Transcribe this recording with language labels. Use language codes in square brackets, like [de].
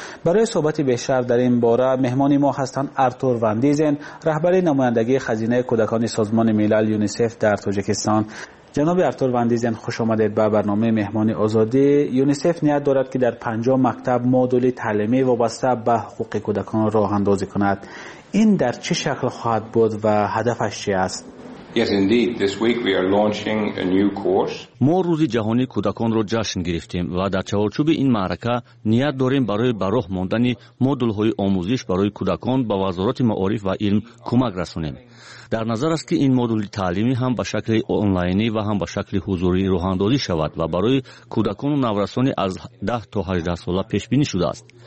[fa] برای صحبت بیشتر در این باره مهمان ما هستند آرتور وان دیزن، رهبر نمایندگی خزینه کودکان سازمان ملل یونیسف در تاجیکستان. جناب آرتور وان دیزن، خوش آمدید به برنامه مهمان آزادی. یونیسف نیت دارد که در 50 مکتب مدل تعلیمی وابسته به حقوق کودکان راه اندازی کند. این در چه شکل خواهد بود و هدفش چی است؟ [en] Yes, indeed. This week we are launching a new course. [tg] Мо рӯзи ҷаҳонии кӯдаконро ҷашн гирифтем ва дар чаҳорчӯби ин маърака ният дорем барои бароҳ мондани модулҳои омӯзиш барои кӯдакон ба вазорати маориф ва илм кӯмак расонем. [fa] در نظر است که این مدل تعلیمی هم به شکل آنلاینی و هم به شکل حضوری روح اندازی شود و برای کودکان و نورسان از 10 تا 18 ساله پیش بینی شده است.